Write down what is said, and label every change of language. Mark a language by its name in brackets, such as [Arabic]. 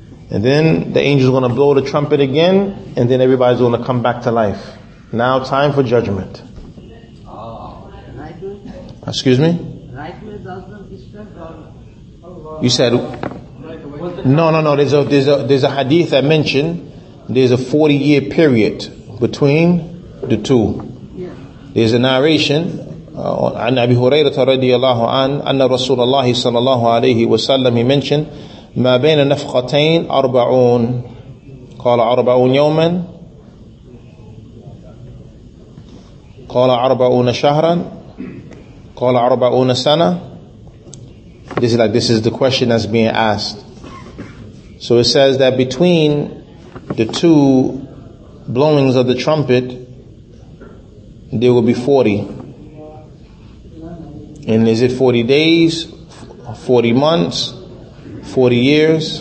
[English] And then the angel's going to blow the trumpet again, and then everybody's going to come back to life. Now time for judgment. Excuse me? Right way doesn't disturb You said, no, there's a hadith I mentioned. There's a 40-year period between the two. There's a narration, [Arabic] عن أبي هريرة رضي الله عنه أن رسول الله صلى الله عليه وسلم [English] he mentioned [Arabic] ما بين نفختين أربعون قال أربعون يوما قال أربعون شهرا قال أربعون سنة. [English] This is the question that's being asked. So it says that between the two blowings of the trumpet there will be 40. And is it 40 days, 40 months, 40 years?